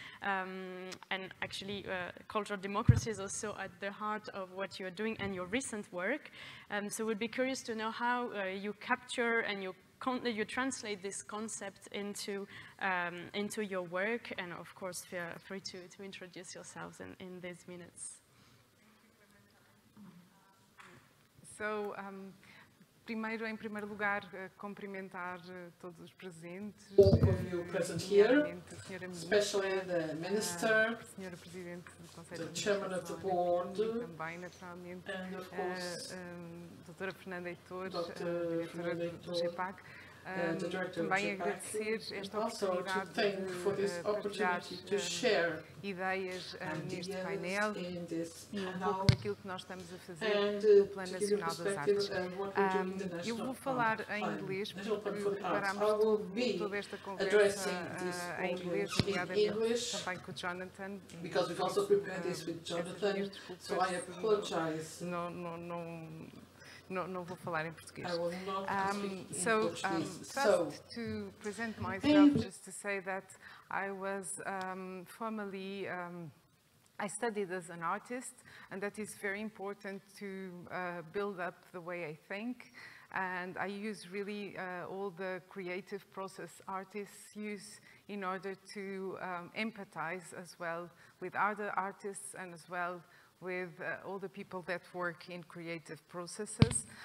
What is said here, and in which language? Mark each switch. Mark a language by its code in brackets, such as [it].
[en] And actually, cultural democracy is also at the heart of what you're doing and your recent work. So we'd be curious to know how you capture and you translate this concept into your work. And of course, feel free to introduce yourselves in these minutes. [pt] So, primeiro, em primeiro lugar, cumprimentar todos os presentes. [en] All of you present here, especially the Minister, [pt] Senhora Presidente do Conselho [en] the Chairman of the Board, [pt] e também, naturalmente, [en] and of course, [pt] Doutora Fernanda Heitor, Diretora do GEPAC. Também agradecer esta oportunidade de partilhar ideias neste painel e um pouco daquilo que nós estamos a fazer no Plano Nacional das Artes. Eu vou falar em inglês, porque preparámos toda esta conversa em inglês, nomeadamente também com o Jonathan. Porque nós também preparamos isto com o Jonathan, então eu apologizo. não vou falar em português. [en] I will not speak in Portuguese. First, so, to present myself, just to say that I was formerly, I studied as an artist, and that is very important to build up the way I think. And I use really all the creative process artists use in order to empathize as well with other artists and as well with all the people that work in creative processes.